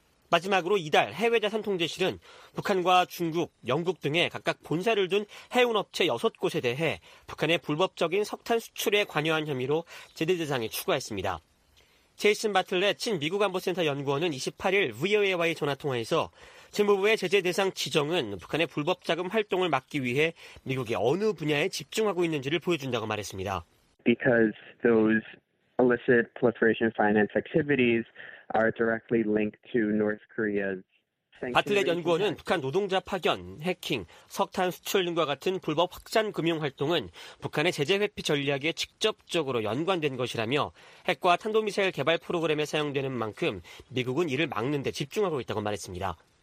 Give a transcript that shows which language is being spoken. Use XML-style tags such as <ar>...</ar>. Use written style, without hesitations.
<ko>마지막으로 이달 해외자산통제실은 북한과 중국, 영국 등에 각각 본사를 둔 해운업체 6곳에 대해 북한의 불법적인 석탄 수출에 관여한 혐의로 제재 대상에 추가했습니다. 제이슨 바틀렛 친미국 안보센터 연구원은 28일 VOA와의 전화통화에서 재무부의 제재 대상 지정은 북한의 불법 자금 활동을 막기 위해 미국이 어느 분야에 집중하고 있는지를 보여준다고 말했습니다.</ko> <en>Because those illicit proliferation finance activities are directly linked to North Korea's.</en> <ko>바틀렛 연구원은 북한 노동자 파견, 해킹, 석탄 수출 등과 같은 불법 확산 금융 활동은 북한의 제재 회피 전략에 직접적으로 연관된 것이라며 핵과 탄도미사일 개발 프로그램에 사용되는 만큼 미국은 이를 막는 데 집중하고 있다고 말했습니다.</ko>